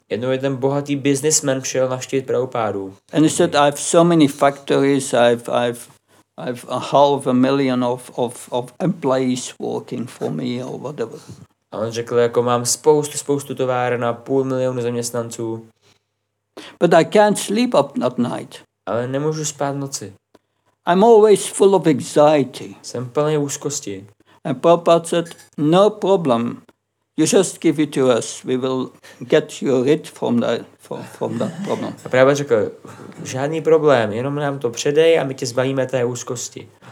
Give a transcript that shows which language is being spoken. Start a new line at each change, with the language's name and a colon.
Czech: Jednou jeden bohatý businessman přišel navštívit Prabhupádu.
English: And he said, I have so many factories, I've I've a half a million of employees working for me or whatever.
Czech: A on řekl, jako mám spoustu továren a 500 000 zaměstnanců.
English: But I can't sleep up at night.
Czech: Ale nemůžu spát noci.
English: I'm always full of anxiety.
Czech: Jsem plný úzkosti.
English: And Prabhupada said, no problem. You just give it to us. We will get you rid from that problem.
Czech: A Prabhupada řekl, žádný problém, jenom nám to předej a my tě zbavíme té úzkosti.